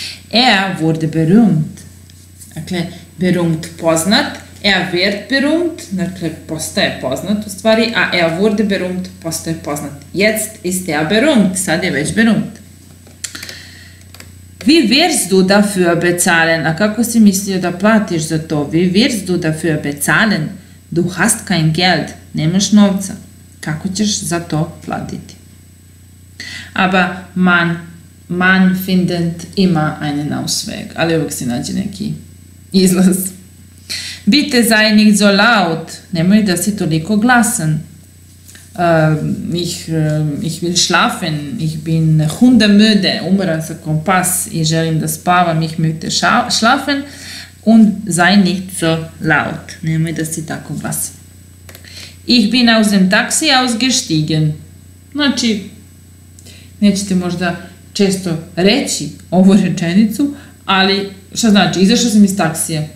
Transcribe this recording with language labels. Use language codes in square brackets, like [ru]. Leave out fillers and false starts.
[de] Er wurde berühmt. Dakle, berühmt poznat. Er wird berühmt, [sr] dakle postaje poznat u stvari, a [de] er wurde berühmt, [sr] postaje poznat. [de] Jetzt ist er berühmt, [sr] sad je već [de] berühmt. Wie wirst du dafür bezahlen? [sr] A kako si mislio da platiš za to? [de] Wie wirst du dafür bezahlen? Du hast kein Geld, [sr] nemaš novca. Kako ćeš za to platiti? [de] Aber man findet immer einen Ausweg, [sr] ali uvijek se nađe neki izlaz. [de] Bitte sei nicht so laut. [sr] Nemoj da si toliko glasan. [de] Ich will schlafen. Ich bin hundemüde. [sr] Umoran sam kompas i želim da spavam. [de] Ich möchte schlafen. Und sei nicht so laut. [sr] Nemoj da si tako glasan. [de] Ich bin aus dem Taxi ausgestiegen. [sr] Znači, nećete možda često reći ovu rečenicu, ali šta znači, izašao sam iz taksija.